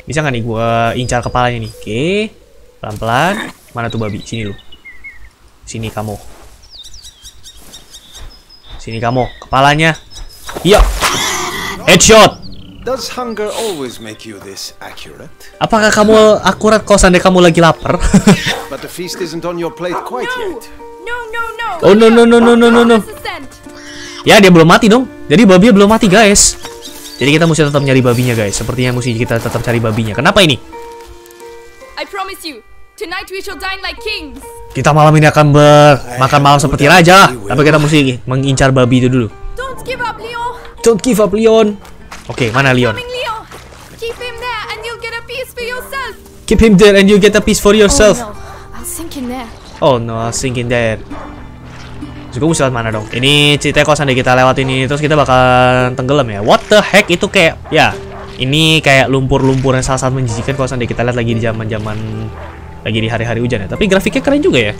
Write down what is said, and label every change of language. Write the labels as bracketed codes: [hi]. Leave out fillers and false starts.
[id] Bisa enggak nih gua incar kepalanya nih? Oke. Pelan-pelan. Mana tuh babi? Sini lu. Sini kamu. Sini kamu, kepalanya. Iya. Headshot. [en] Does hunger always make you this accurate? [id] Apakah kamu akurat kalau seandainya kamu lagi lapar? [en] But the feast isn't on your plate quite yet. No. [id] Ya, dia belum mati dong. Jadi babinya belum mati, guys. Jadi kita mesti tetap nyari babinya, guys. Sepertinya mesti kita tetap cari babinya. Kenapa ini? [en] I promise you, tonight we shall dine like kings. [id] Kita malam ini akan makan malam seperti raja. Tapi kita mesti mengincar babi itu dulu. [en] Don't give up, Leo. Don't give up, Leon. [id] Oke, mana Leon? [en] Keep him there and you'll get a piece for yourself. Keep him there and you'll get a piece for yourself. Oh, no. I'll sink in there. Oh no, sinking there. [id] Juga mesti lewat mana dong? Ini ceritanya kalau sandi kita lewat ini terus kita bakal tenggelam ya. [en] What the heck, [id] itu kayak ya. Ini kayak lumpur-lumpur yang sangat menjijikkan kalau sandi kita lihat lagi di zaman-zaman lagi di hari-hari hujan ya. Tapi grafiknya keren juga ya.